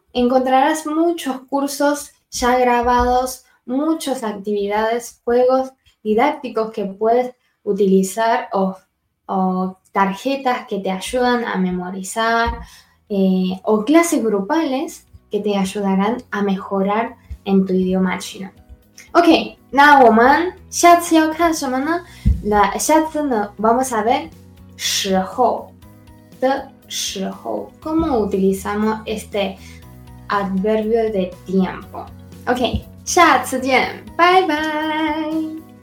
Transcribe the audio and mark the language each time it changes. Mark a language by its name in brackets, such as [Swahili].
[Spanish] Encontrarás muchos cursos ya grabados, muchas actividades, juegos didácticos que puedes utilizar o tarjetas que te ayudan a memorizar o clases grupales que te ayudarán a mejorar en tu idioma chino. [Chinese] Ok, 那我们下次要看什么呢? 下次呢, [Spanish] vamos a ver时候的时候, cómo utilizamos este adverbio de tiempo. Ok, [Chinese] 下次见, [English] bye bye!